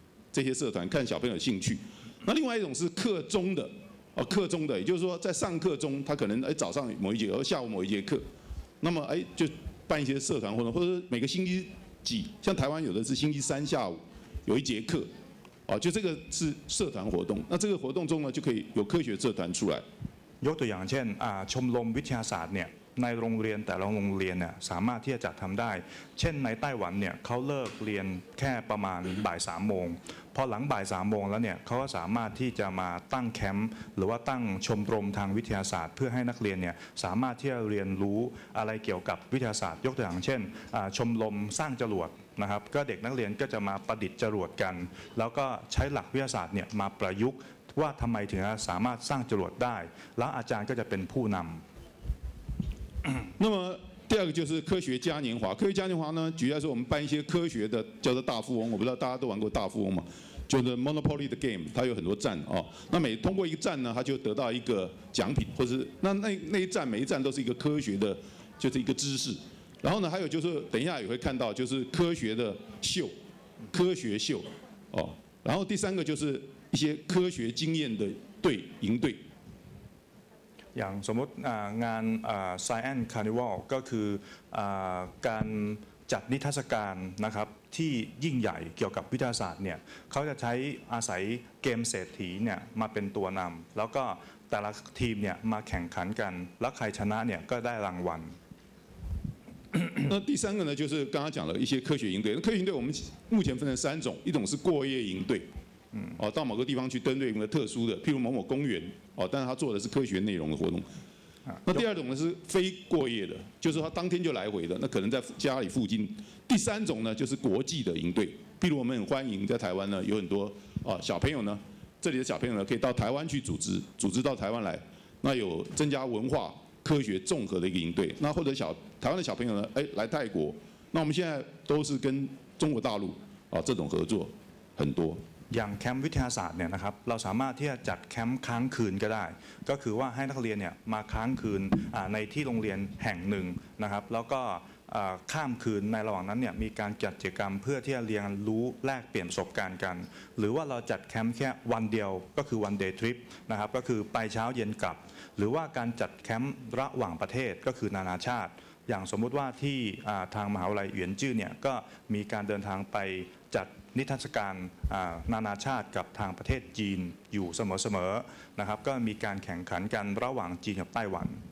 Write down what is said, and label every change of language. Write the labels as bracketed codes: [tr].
[zh] 这些社团看小朋友的兴趣那另外一种是课中的课中的也就是说在上课中他可能早上某一节或下午某一节课那么就办一些社团活动或者每个星期几像台湾有的是星期三下午有一节课就这个是社团活动那这个活动中呢就可以有科学社团出来 [th] ยกตัวอย่างเช่นชมรมวิทยาศาสตร์เนี่ยในโรงเรียนแต่ละโรงเรียนเนี่ยสามารถที่จะจัดทำได้เช่นในไต้หวันเนี่ยเขาเลิกเรียนแค่ประมาณบ่ายสามโมงพอหลังบ่ายสามโมงแล้วเนี่ยเขาก็สามารถที่จะมาตั้งแคมป์หรือว่าตั้งชมรมทางวิทยาศาสตร์เพื่อให้นักเรียนเนี่ยสามารถที่จะเรียนรู้อะไรเกี่ยวกับวิทยาศาสตร์ยกตัวอย่างเช่น ชมรมสร้างจรวดนะครับก็เด็กนักเรียนก็จะมาประดิษฐ์จรวดกันแล้วก็ใช้หลักวิทยาศาสตร์เนี่ยมาประยุกต์ว่าทำไมถึงสามารถสร้างจรวดได้แล้วอาจารย์ก็จะเป็นผู้นำ [zh] 那么第二个就是科学嘉年华。科学嘉年华呢，举例来说，我们办一些科学的，叫做大富翁。我不知道大家都玩过大富翁嘛？就是 Monopoly 的 game， 它有很多站哦。那每通过一个站呢，它就得到一个奖品，或是那一站每一站都是一个科学的，就是一个知识。然后呢，还有就是等一下也会看到，就是科学的秀，科学秀哦。然后第三个就是一些科学经验的对赢对。 [th] อย่างสมมติงาน Science Carnival ก็คือการจัดนิทรรศการนะครับที่ยิ่งใหญ่เกี่ยวกับวิทยาศาสตร์เนี่ยเขาจะใช้อาศัยเกมเศรษฐีเนี่ยมาเป็นตัวนำแล้วก็แต่ละทีมเนี่ยมาแข่งขันกันแล้วใครชนะเนี่ยก็ได้รางวัล [zh] 那第三个呢就是刚刚讲了一些科学营队科学营队我们目前分成三种一种是过夜营队到某个地方去登对一个特殊的譬如某某公园但是他做的是科学内容的活动那第二种呢是非过夜的就是他当天就来回的那可能在家里附近第三种呢就是国际的营队譬如我们很欢迎在台湾呢有很多小朋友呢这里的小朋友呢可以到台湾去组织到台湾来那有增加文化科学综合的一个营队那或者台湾的小朋友呢来泰国那我们现在都是跟中国大陆这种合作很多 [th] อย่างแคมป์วิทยาศาสตร์เนี่ยนะครับเราสามารถที่จะจัดแคมป์ค้างคืนก็ได้ก็คือว่าให้นักเรียนเนี่ยมาค้างคืนในที่โรงเรียนแห่งหนึ่งนะครับแล้วก็ ข้ามคืนในระหว่างนั้นเนี่ยมีการจัดกิจกรรมเพื่อที่จะเรียนรู้แลกเปลี่ยนประสบการณ์กันหรือว่าเราจัดแคมป์แค่วันเดียวก็คือวันเดย์ทริปนะครับก็คือไปเช้าเย็นกลับหรือว่าการจัดแคมป์ระหว่างประเทศก็คือนานาชาติอย่างสมมติว่าที่ทางมหาวิทยาลัยเหวียนจื้อเนี่ยก็มีการเดินทางไปจัดนิทรรศการนานาชาติกับทางประเทศจีนอยู่เสมอๆนะครับก็มีการแข่งขันกันระหว่างจีนกับไต้หวัน